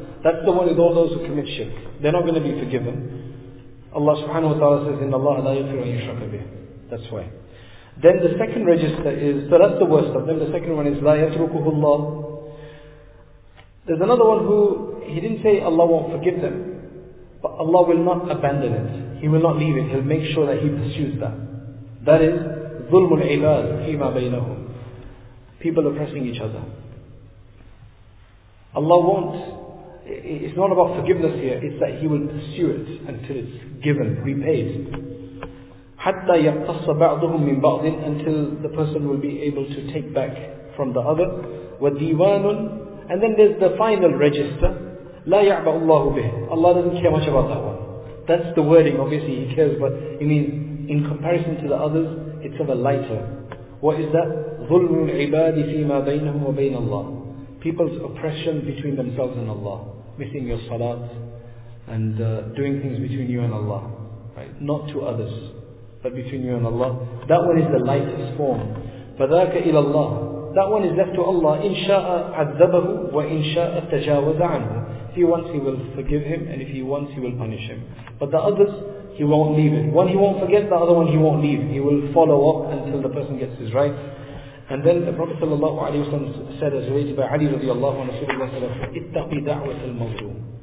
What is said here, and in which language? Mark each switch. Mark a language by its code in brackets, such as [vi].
[en] That's the one with all those who commit shirk. They're not going to be forgiven. Allah subhanahu wa ta'ala says, [ar] in Allah la yaghfiru an yushraka bih. [en] That's why. Then the second register is, so that's the worst of them. The second one is la yatrukuhullah. There's another one who, he didn't say Allah won't forgive them, but Allah will not abandon it. He will not leave it. He'll make sure that he pursues that. That is [ar] ظلم العباد فيما بينهم. [en] People oppressing each other. Allah won't. It's not about forgiveness here. It's that he will pursue it until it's given, repaid. [ar] حتى يقتص بعضهم من بعض, [en] until the person will be able to take back from the other. [ar] وديوان. [en] And then there's the final register. [ar] لا يعبا الله به. [en] Allah doesn't care much about that one. That's the wording, obviously he cares, but you mean in comparison to the others, it's of a lighter. What is that? [ar] ظلم العباد فيما بينهم وبين الله. [en] People's oppression between themselves and Allah. Missing your salat and doing things between you and Allah. Right? Not to others, but between you and Allah. That one is the lightest form. [ar] فذاك إلى الله. [en] That one is left to Allah. [ar] إن شاء عذبه وإن شاء تجاوز عنه. [en] If he wants, he will forgive him, and if he wants, he will punish him. But the others, he won't leave it. One he won't forget, the other one he won't leave. He will follow up until the person gets his rights. And then the Prophet sallallahu alaihi wasallam said, as related by Ali radiallahu anhu, Rasulullah sallallahu alaihi wasallam, [ar] اتَّقِ دَعْوَةَ الْمَظْلُومِ.